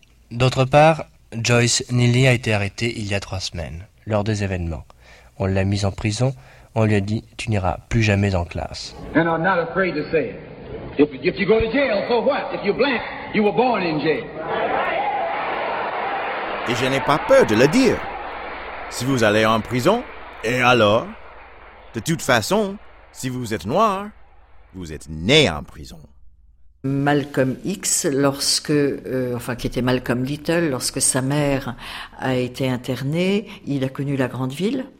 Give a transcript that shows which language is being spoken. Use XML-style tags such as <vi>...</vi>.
<fr>D'autre part, Joyce Neely a été arrêtée il y a 3 semaines, lors des événements. On l'a mise en prison, on lui a dit « tu n'iras plus jamais en classe ».</fr> <en>If you go to jail, so what? If you're black, you were born in jail.</en> <fr>Et je n'ai pas peur de le dire. Si vous allez en prison, et alors? De toute façon, si vous êtes noir, vous êtes né en prison. Malcolm X, qui était Malcolm Little, lorsque sa mère a été internée, il a connu la grande ville.</fr>